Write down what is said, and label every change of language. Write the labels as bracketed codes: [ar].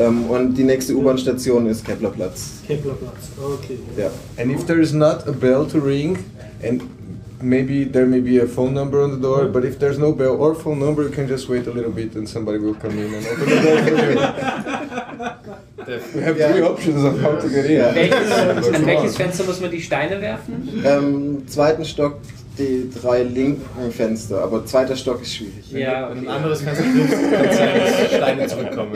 [de] Und die nächste U-Bahn-Station ist Keplerplatz. Keplerplatz, okay. Ja. [en] And if there is not a bell to ring, and maybe there may be a phone number on the door, but if there's no bell or phone number, you can just wait a little bit and somebody will come in and open the door for you. We have three options of how to get in. [de] Welches Fenster muss man die Steine werfen? Zweiten Stock die drei linken Fenster, aber zweiter Stock ist schwierig. Ja, und ein anderes kannst du nicht Steine zurückkommen.